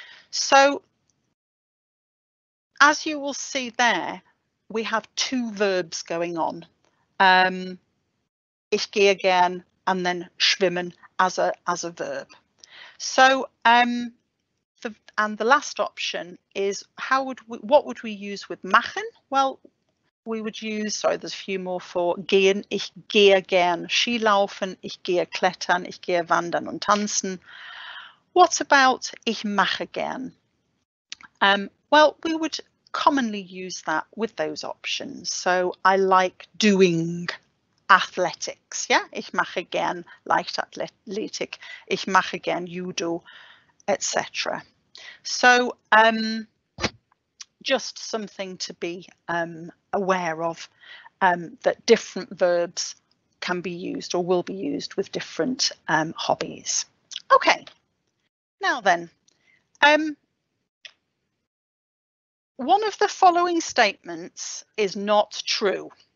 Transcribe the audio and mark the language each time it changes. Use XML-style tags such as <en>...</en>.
<en>So as you will see there, we have two verbs going on.</en> <de>Ich gehe gern</de> <en>and then schwimmen as a verb. So the last option is what would we use with machen? Well, we would use, sorry, there's a few more for gehen.</en> <de>Ich gehe gern skilaufen, ich gehe klettern, ich gehe wandern und tanzen.</de> <en>What about</en> <de>ich mache gern?</de> <en>Well, we would commonly use that with those options. So I like doing athletics, yeah?</en> <de>Ich mache gern Leichtathletik, ich mache gern Judo, etc.</de> <en>So just something to be aware of, that different verbs can be used or will be used with different hobbies. Okay, now then, one of the following statements is not true.</en>